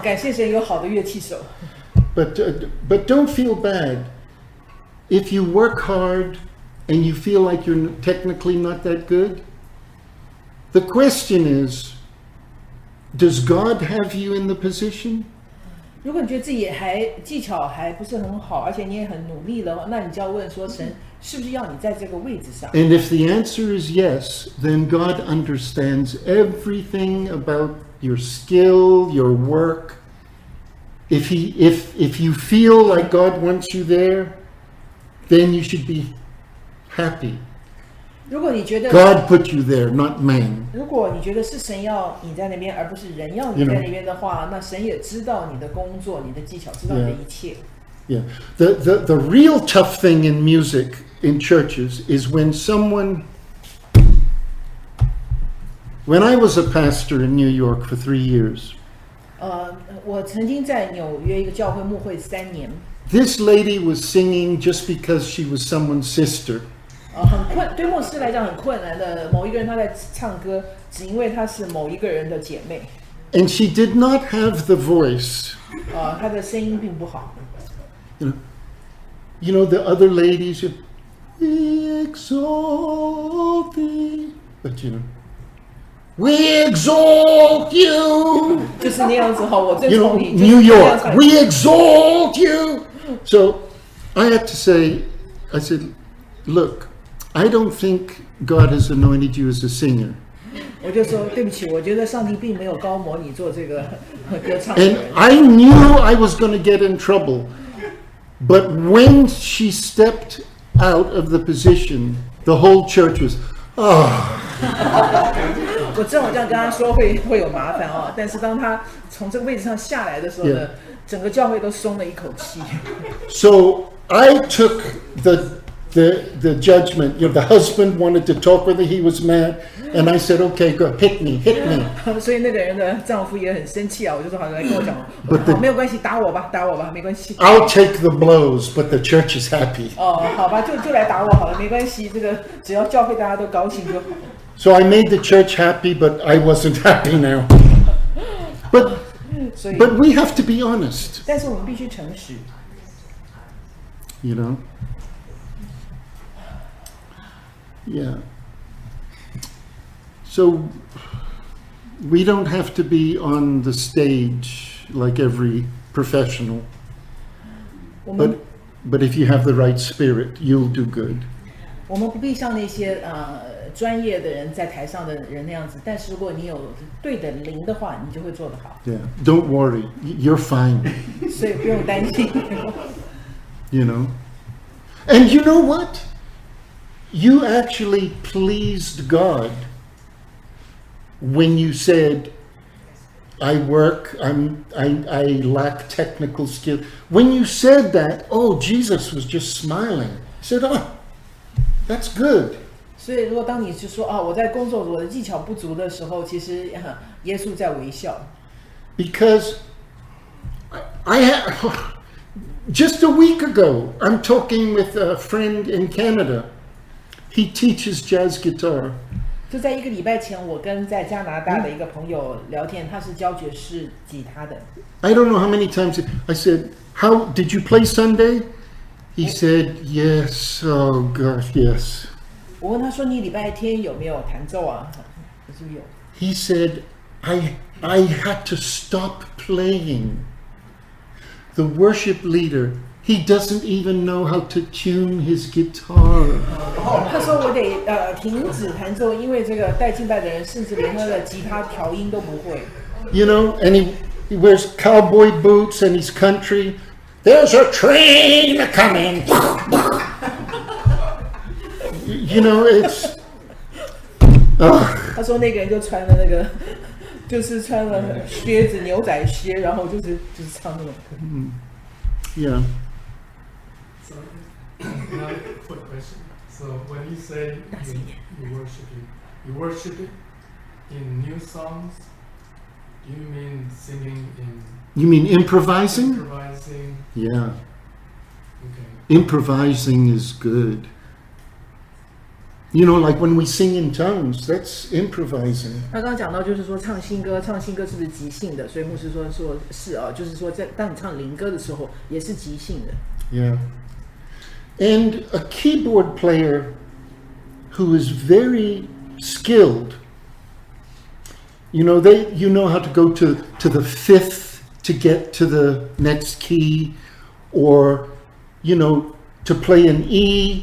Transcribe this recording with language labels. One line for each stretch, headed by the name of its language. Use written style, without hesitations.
Chinese: 感谢神有好的乐器手。
English: But don't feel bad if you work hard. And you feel like you're technically not that good? The question is, does God have you in the position?
Chinese: 如果你觉得自己技巧还不是很好，而且你也很努力的话，那你就要问说神是不是要你在这个位置上。
English: And if the answer is yes, then God understands everything about your skill, your work. If you feel like God wants you there, then you should be... Happy.
Chinese: 如果你觉得
English: God put you there, not man.
Chinese: 如果你觉得是神要你在那边，而不是人要你在那边的话，
English: you know,
Chinese: 那神也知道你的工作、你的技巧，知道你的一切。
English: Yeah. The real tough thing in music in churches is when someone. When I was a pastor in New York for 3 years.
Chinese: 我曾经在纽约一个教会牧会三年。
English: This lady was singing just because she was someone's sister.
Chinese: 对牧师来讲很困难的某一个人他在唱歌只因为他是某一个人的姐妹
English: And she did not have the voice
Chinese: 她的声音并不好
English: You know the other ladies We exalt thee But you know We exalt you.
Chinese: 就是那样子哈，我最聪明。
English: You know, New York, we exalt you. So I had to say, I said, look, I don't think God has anointed you as a singer.
Chinese: 我就说对不起，我觉得上帝并没有高摩你做这个歌唱。
English: And I knew I was going to get in trouble, but when she stepped out of the position, the whole church was, ah.
Chinese: 我正好这样跟他说会有麻烦哦，但是当他从这个位置上下来的时候呢， yeah. 整个教会都松了一口气。
English: So I took the judgment. You know, the husband wanted to talk with her. He was mad, and I said, "Okay, good, hit me, hit me."
Chinese: 所以那个人的丈夫也很生气啊，我就说好，来跟我讲。
English: But the,
Chinese: 没有关系，打我吧，打我吧，没关系。
English: I'll take the blows, but the church is happy.
Chinese: 哦，好吧，就来打我好了，没关系，这个只要教会大家都高兴就好。
English: So I made the church happy, but I wasn't happy now. But we have to be honest.
Chinese: 但是我们必须诚实。
English: You know? Yeah. So we don't have to be on the stage like every professional. But if you have the right spirit, you'll do good.
Chinese: 我们不必像那些专业的人在台上的人那样子，但是如果你有对的灵的话，你就会做得好。
English: Yeah, don't worry, you're fine.
Chinese: 所以不用担心。
English: You know, and you know what? You actually pleased God when you said, "I work. I lack technical skill." When you said that, oh, Jesus was just smiling. He said, "Oh, that's good."
Chinese: 所以如果当你就说、啊、我在工作我的技巧不足的时候，其实耶稣在微笑。
English: Because I have, just a week ago, I'm talking with a friend in Canada. He teaches jazz guitar.
Chinese: 就在一个礼拜前，我跟在加拿大的一个朋友聊天，他是教爵士吉他的。
English: I don't know how many times I said, "How did you play Sunday?" He said, "Yes, oh gosh, yes."
Chinese: 我问他说：“你礼拜天有没有弹奏啊？” 他说有。
English: He said, "I had to stop playing. The worship leader, he doesn't even know how to tune his guitar."
Chinese: 他说我得停止弹奏，因为这个带敬拜的人甚至连他的吉他调音都不会。
English: You know, and he wears cowboy boots and he's country. There's a train coming. You know, it's.
Chinese: 他说那个人就穿了那个，就是穿了靴子，牛仔靴，然后就是唱那种歌。嗯
English: ，Yeah. So, another quick question. So, when you say you worship in new songs, do you mean singing in? You mean improvising? Improvising. Yeah. Okay. Improvising is good. You know, like when we sing in tongues, that's improvising.
Chinese: 他刚刚讲到，就是说唱新歌，唱新歌是不是即兴的？所以牧师说是啊，就是说在当你唱灵歌的时候，也是即兴的。
English: Yeah. And a keyboard player who is very skilled, you know, you know how to go to the fifth to get to the next key, or, you know, to play an E.